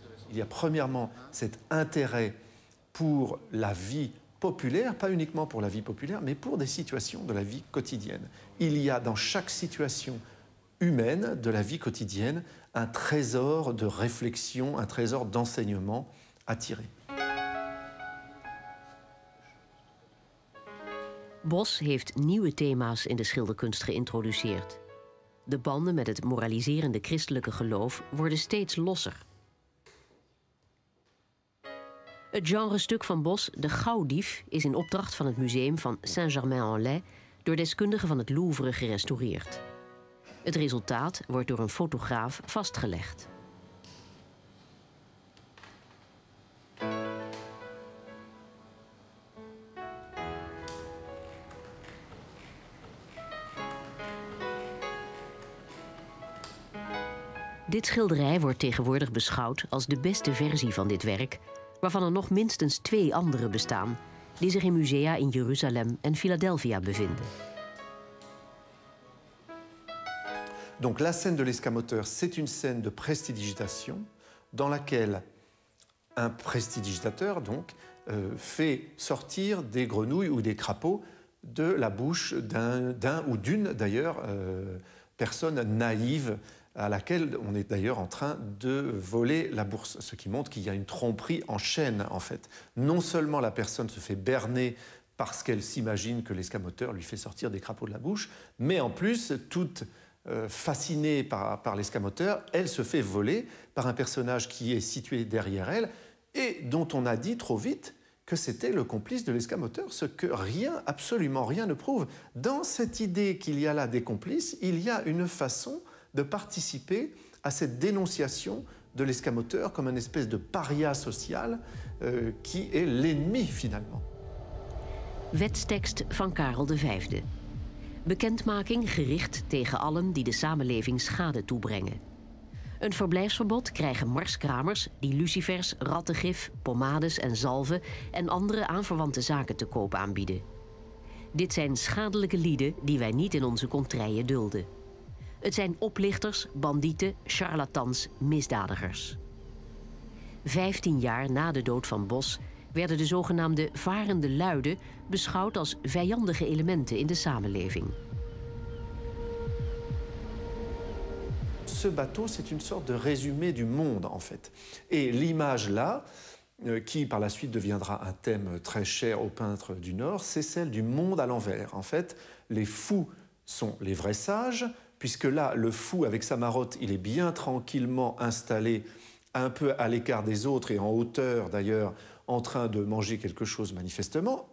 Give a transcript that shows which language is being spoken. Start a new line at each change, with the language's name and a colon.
French: Il y a premièrement cet intérêt pour la vie populaire, pas uniquement pour la vie populaire, mais pour des situations de la vie quotidienne. Il y a dans chaque situation humaine de la vie quotidienne un trésor de réflexion, un trésor d'enseignement à tirer.
Dutch: Bos heeft nieuwe thema's in de schilderkunst geïntroduceerd. De banden met het moraliserende christelijke geloof worden steeds losser. Het genrestuk van Bos, De Gauwdief, is in opdracht van het museum van Saint-Germain-en-Laye door deskundigen van het Louvre gerestaureerd. Het resultaat wordt door een fotograaf vastgelegd. Dit schilderij wordt tegenwoordig beschouwd als de beste versie van dit werk, waarvan er nog minstens 2 andere bestaan, die zich in musea in Jeruzalem en Philadelphia bevinden.
French: Donc la scène de l'escamoteur, c'est une scène de prestidigitation dans laquelle un prestidigitateur donc fait sortir des grenouilles ou des crapauds de la bouche d'un ou d'une d'ailleurs personne naïve à laquelle on est d'ailleurs en train de voler la bourse, ce qui montre qu'il y a une tromperie en chaîne en fait. Non seulement la personne se fait berner parce qu'elle s'imagine que l'escamoteur lui fait sortir des crapauds de la bouche, mais en plus toute fascinée par l'escamoteur, elle se fait voler par un personnage qui est situé derrière elle et dont on a dit trop vite que c'était le complice de l'escamoteur, ce que rien, absolument rien ne prouve. Dans cette idée qu'il y a là des complices, il y a une façon de participer à cette dénonciation de l'escamoteur comme une espèce de paria social qui est l'ennemi finalement.
Dutch: Wetstekst van Karel de Vijfde. Bekendmaking gericht tegen allen die de samenleving schade toebrengen. Een verblijfsverbod krijgen marskramers die lucifers, rattengif, pomades en zalven en andere aanverwante zaken te koop aanbieden. Dit zijn schadelijke lieden die wij niet in onze contreien dulden. Het zijn oplichters, bandieten, charlatans, misdadigers. 15 jaar na de dood van Bos werden de zogenaamde varende luiden beschouwd als vijandige elementen in de samenleving.
French: Ce bateau, c'est une sorte de résumé du monde, en fait. Et l'image là, qui par la suite deviendra un thème très cher aux peintres du Nord, c'est celle du monde à l'envers. En fait, les fous sont les vrais sages, puisque là, le fou, avec sa marotte, il est bien tranquillement installé, un peu à l'écart des autres et en hauteur, d'ailleurs, en train de manger quelque chose, manifestement.